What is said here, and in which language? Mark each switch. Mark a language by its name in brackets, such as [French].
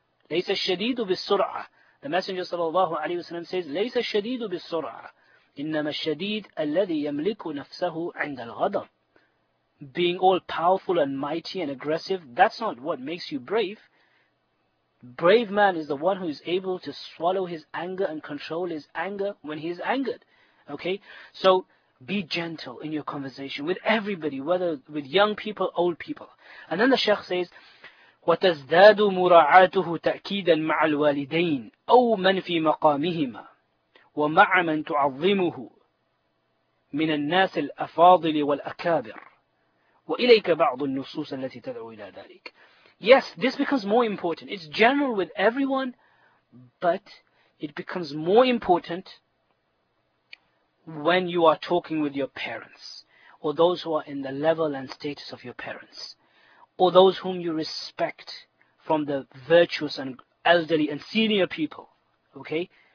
[Arabic] لَيْسَ الشَّدِيدُ بِالسُّرْعَةِ [English] The Messenger sallallahu alayhi wa sallam says, [Arabic] لَيْسَ الشَّدِيدُ بِالسُّرْعَةِ إِنَّمَا الشَّدِيدُ الَّذِي يَمْلِكُ نَفْسَهُ عِنْدَ الْغَضَبِ [English] Being all powerful and mighty and aggressive, that's not what makes you brave. Brave man is the one who is able to swallow his anger and control his anger when he is angered. Okay? So, be gentle in your conversation with everybody, whether with young people, old people. And then the Shaykh says, [Arabic] وَتَزْدَادُ مُرَاعَاتُهُ تَأْكِيدًا مَعَ الْوَالِدَيْنِ أَوْ مَنْ فِي مَقَامِهِمَا وَمَعَ مَنْ تُعَظِّمُهُ مِنَ النَّاسِ الْأَفَاضِلِ وَالْأَكَابِرِ وَإِلَيْكَ بَعْضُ النُّصُوصَ الَّتِي تَدْعُوا إِلَى ذَلِكَ [English] Yes, this becomes more important. It's general with everyone, but it becomes more important when you are talking with your parents, or those who are in the level and status of your parents, or those whom you respect from the virtuous and elderly and senior people. Okay?